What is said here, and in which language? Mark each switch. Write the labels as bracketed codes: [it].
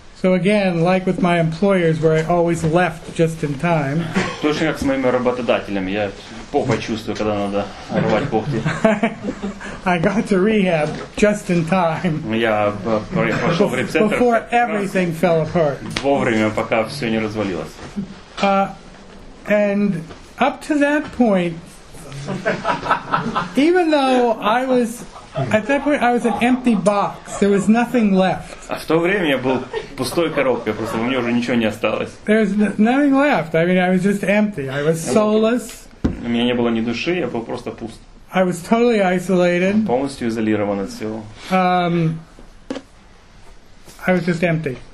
[en] So again, like with my employers, where I always left just in time. [ru] Точно как с моими работодателями, я попа чувствую, когда надо рвать когти. [en] I got to rehab just in time. [ru] Я пошел в реп-центр. [en] Before everything fell apart. [ru] Вовремя, пока все не развалилось. [en] And up to that point, even though I was at that point, I was an empty box. There was nothing left. [ru] А в то время я был пустой коробкой, просто у меня уже ничего не осталось. [en] There was nothing left. I mean, I was just empty. I was soulless. [ru] У меня не было ни души, я был просто пуст. [en] I was totally isolated. [ru] Полностью изолирован от всего. [en] I was just empty.